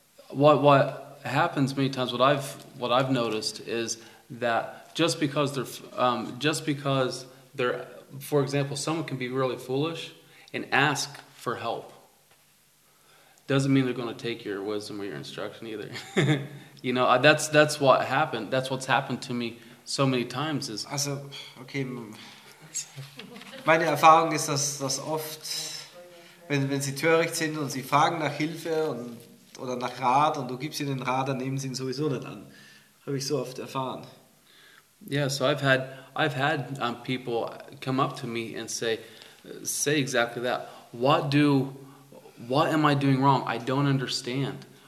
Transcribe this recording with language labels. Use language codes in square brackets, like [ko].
[en] What happens many times? What I've noticed is that just because they're, for example, someone can be really foolish and ask for help, doesn't mean they're going to take your wisdom or your instruction either. You know, that's what's happened to me so many times is... [de] Also, okay, meine Erfahrung ist, dass oft, wenn sie töricht sind und sie fragen nach Hilfe oder nach Rat und du gibst ihnen den Rat, dann nehmen sie ihn sowieso nicht an. Habe ich so oft erfahren. [en] Yeah, so I've had people come up to me and say exactly that. What am I doing wrong? I don't understand.